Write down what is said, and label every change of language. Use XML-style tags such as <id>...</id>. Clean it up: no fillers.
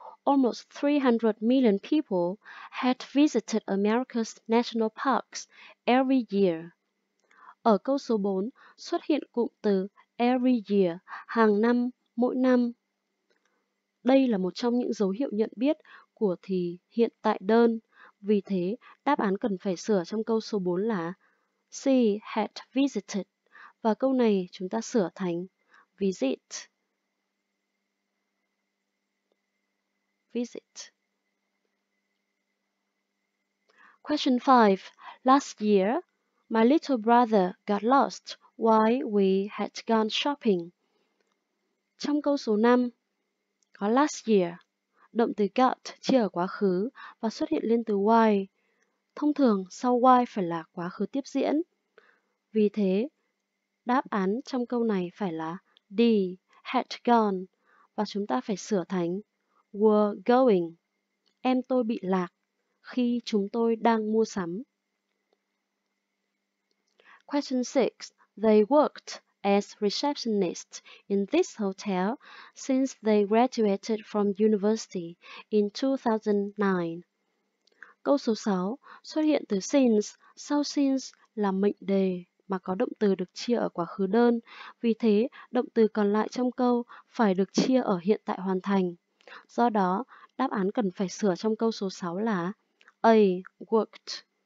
<en>Almost 300 million people had visited America's national parks every year.</en> <vi>Ở câu số 4 xuất hiện cụm từ</vi> <en>every year,</en> <vi>hàng năm, mỗi năm. Đây là một trong những dấu hiệu nhận biết của thì hiện tại đơn. Vì thế, đáp án cần phải sửa trong câu số 4 là C.</vi> <en>Had visited.</en> <vi>Và câu này chúng ta sửa thành</vi> <en>visit. Visit. Question 5. Last year, my little brother got lost while we had gone shopping.</en> <vi>Trong câu số 5, có</vi> <en>last year,</en> <vi>động từ got chia ở quá khứ và xuất hiện lên từ while. Thông thường, sau while phải là quá khứ tiếp diễn. Vì thế, đáp án trong câu này phải là D,</vi> <en>had gone,</en> <vi>và chúng ta phải sửa thành</vi> <en>were going,</en> <vi>em tôi bị lạc, khi chúng tôi đang mua sắm.</vi> <en>Question 6. They worked as receptionists in this hotel since they graduated from university in 2009.</en> <vi>Câu số 6 xuất hiện từ since, sau since là mệnh đề mà có động từ được chia ở quá khứ đơn. Vì thế, động từ còn lại trong câu phải được chia ở hiện tại hoàn thành. Do đó, đáp án cần phải sửa trong câu số 6 là A.</vi> <en>Worked.</en>